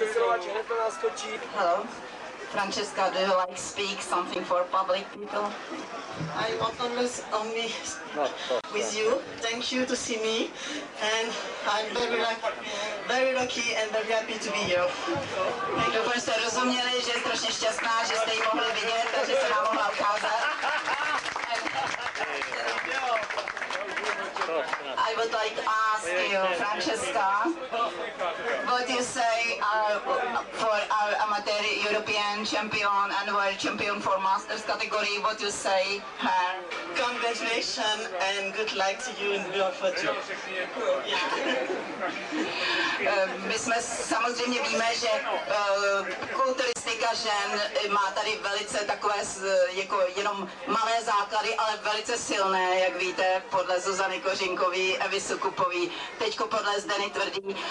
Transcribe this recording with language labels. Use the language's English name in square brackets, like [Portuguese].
[English] Hello, Francesca, do you like speak something for public people? I want to miss only with you. Thank you to see me, and I'm very lucky and very happy to be here. Thank you. [Czech] Jste rozuměli, že je strašně šťastná, že jste ji mohli vidět a že se nám mohla ukázat. [English] I would like to ask you, Francesca, what you say for our amateur European champion and world champion for Masters category, what you say her? Congratulations and good luck to you in your future. [Czech] My jsme samozřejmě víme, že kulturistika žen má tady velice takové jako jenom malé základy, ale velice silné, jak víte, podle Zuzany Kořínkový, Evy Sukupový, teďko podle Zdeny Tvrdý.